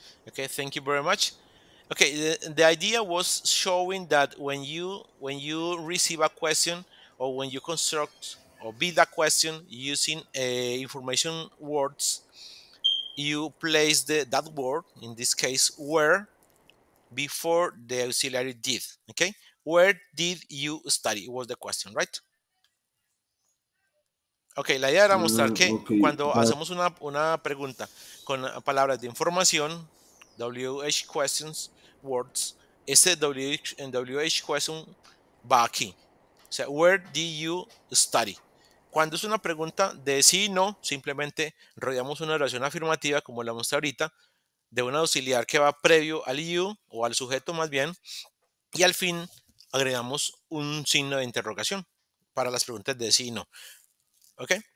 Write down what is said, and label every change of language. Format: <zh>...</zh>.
<en>Okay, thank you very much. Okay, the idea was showing that when you receive a question or when you construct or build a question using information words, you place that word, in this case, where, before the auxiliary did, okay? Where did you study? It was the question, right?</en> <es>Okay, la idea era mostrar que okay, cuando hacemos una pregunta con palabras de información, WH questions, words, ese WH question va aquí. O sea,</es> <en>where did you study?</en> <es>Cuando es una pregunta de sí y no, simplemente rodeamos una oración afirmativa, como la mostré ahorita, de un auxiliar que va previo al you, o al sujeto más bien, y al fin agregamos un signo de interrogación para las preguntas de sí y no. ¿Ok?</es>